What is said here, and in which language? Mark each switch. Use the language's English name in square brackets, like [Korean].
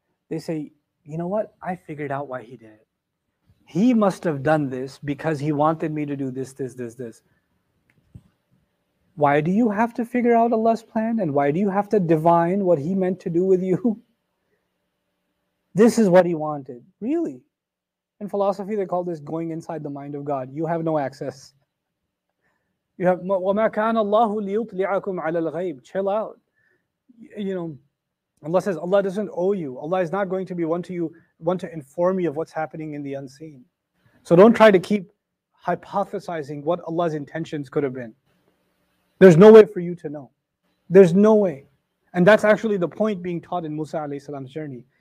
[English] They say, you know what? I figured out why He did it. He must have done this because He wanted me to do this, this, this, this. Why do you have to figure out Allah's plan? And why do you have to divine what He meant to do with you? This is what He wanted. Really? In philosophy, they call this going inside the mind of God. You have no access. You have, [Arabic] وَمَا كَانَ اللَّهُ لِيُطْلِعَكُمْ عَلَى الْغَيْبِ. [English] Chill out. You know, Allah says, Allah doesn't owe you. Allah is not going to be one to inform you of what's happening in the unseen. So don't try to keep hypothesizing what Allah's intentions could have been. There's no way for you to know. There's no way. And that's actually the point being taught in Musa alayhi salam's journey.